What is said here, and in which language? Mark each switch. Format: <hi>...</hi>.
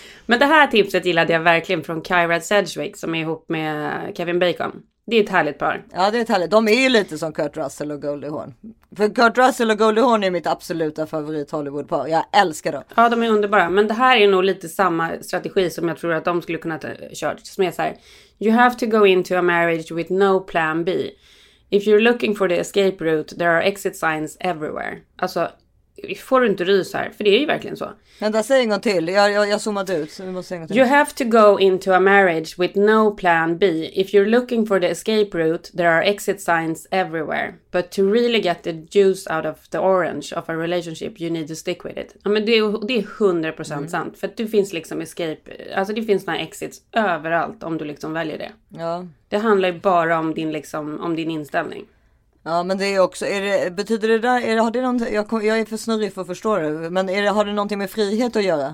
<sv>Men det här tipset gillade jag verkligen från Kyra Sedgwick, som är ihop med Kevin Bacon. Det är ett härligt par. Ja, det är ett härligt. De är ju lite som Kurt Russell och Goldie Hawn. För Kurt Russell och Goldie Hawn är mitt absoluta favorit Hollywoodpar. Jag älskar dem. Ja, de är underbara. Men det här är nog lite samma strategi som jag tror att de skulle kunna ta kört. Som är så här,</sv> <en>you have to go into a marriage with no plan B. If you're looking for the escape route, there are exit signs everywhere.</en> <sv>Alltså, får du inte rys här? För det är ju verkligen så. Vänta, säg en gång till. Jag zoomade ut. Så vi måste säga en gång till.</sv> <en>You have to go into a marriage with no plan B. If you're looking for the escape route, there are exit signs everywhere. But to really get the juice out of the orange of a relationship, you need to stick with it.</en> <sv>Ja, men det är 100% sant. För det finns liksom escape, alltså det finns några exits överallt om du liksom väljer det. Ja. Det handlar ju bara om din, liksom, om din inställning. Ja, men det är också, betyder det där, har det någonting, jag är för snurrig för att förstå det, men har det någonting med frihet att göra?</sv>